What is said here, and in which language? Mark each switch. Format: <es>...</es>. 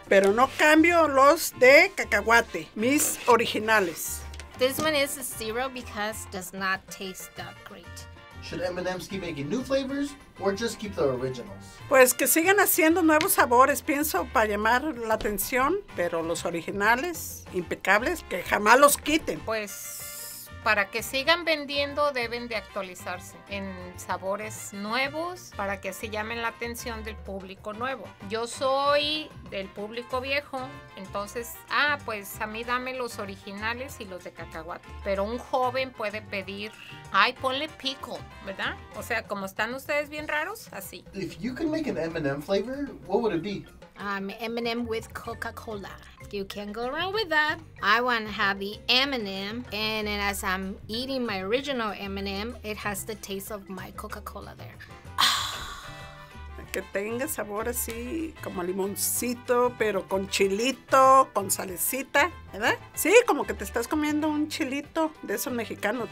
<es>Pero no cambio los de cacahuate, mis originales.</es> <en>This one is a 0 because it does not taste that great. Should M&M's keep making new flavors or just keep the originals?</en> <es>Pues que sigan haciendo nuevos sabores, pienso, para llamar la atención, pero los originales, impecables, que jamás los quiten. Pues para que sigan vendiendo deben de actualizarse en sabores nuevos para que así llamen la atención del público nuevo. Yo soy del público viejo, entonces, pues a mí dame los originales y los de cacahuate. Pero un joven puede pedir, ay, ponle pico, ¿verdad? O sea, como están ustedes bien raros, así.</es> <en>If you could make an M&M flavor, what would it be? M&M with Coca-Cola. You can't go wrong with that. I want to have the M&M, and then as I'm eating my original M&M, it has the taste of my Coca-Cola there.</en> <es>Que tenga sabor así, como limoncito, pero con chilito, con salecita, ¿verdad? Sí, como que te estás comiendo un chilito de esos mexicanos.</es>